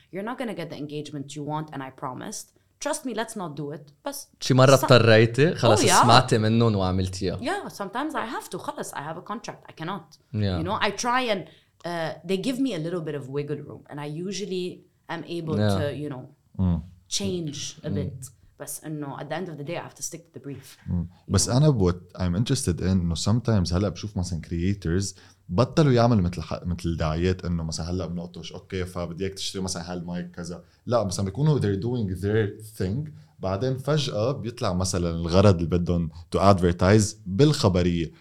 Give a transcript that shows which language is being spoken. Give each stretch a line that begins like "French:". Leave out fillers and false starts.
English: You're not going to get the engagement you want, and I promised. Trust me, let's not do it.
Arabic: بس شي مرة اضطريتي خلاص سمعتي منهم وعملتيها.
English: Yeah, sometimes I have to.
Arabic: خلاص,
English: I have a contract. I cannot. Yeah. You know, I try and they give me a little bit of wiggle room and I usually am able to, you know, change a bit. But no, at the end of the day, I have to stick to the brief. But what I'm interested in, no, sometimes
Arabic: هلأ بشوف مثلا creators بطلوا يعملوا مثل دعايات انه مثلا هلا بنقطش اوكي فبديك تشتري مثلا هالمايك كذا. لا, مثلا بيكونوا
English: they're doing their thing,
Arabic: بعدين فجأة بيطلع مثلا الغرض اللي بدهم
English: to advertise
Arabic: بالخبرية.